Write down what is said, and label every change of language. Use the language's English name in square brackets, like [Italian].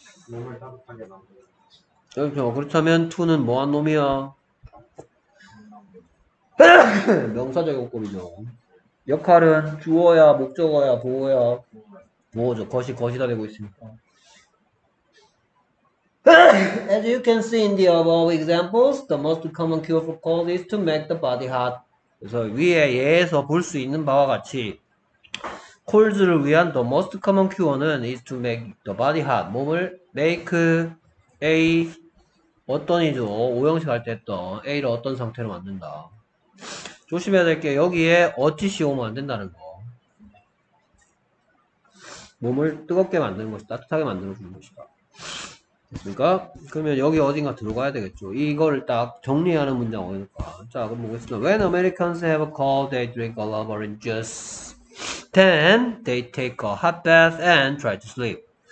[Korean] 몸을 따뜻하게 그렇다면 2는 뭐한 놈이야? 명사적 용법이죠. 역할은 주어야 목적어야 보호야 보호죠. 것이 것이다 되고 있으니까. [English] As you can see in the above examples, the most common cure for cold is to make the body hot. [Korean] 그래서 위에 예에서 볼 수 있는 바와 같이 콜즈를 위한 [English] the most common cure [Korean] 는 [English] is to make the body hot. [Korean] 몸을 [English] make a [Korean] 어떤이죠. 5형식 할 때 했던 a를 어떤 상태로 만든다. 조심해야 될 게 여기에 어찌시 오면 안 된다는 거. 몸을 뜨겁게 만드는 것이 따뜻하게 만들어주는 것이다. 됐습니까? 그러면 여기 어딘가 들어가야 되겠죠. 이거를 딱 정리하는 문장 어딘가. 자 그럼 보겠습니다. [English] When Americans have a cold, they drink a lot of orange juice. Then they take a hot bath and try to sleep.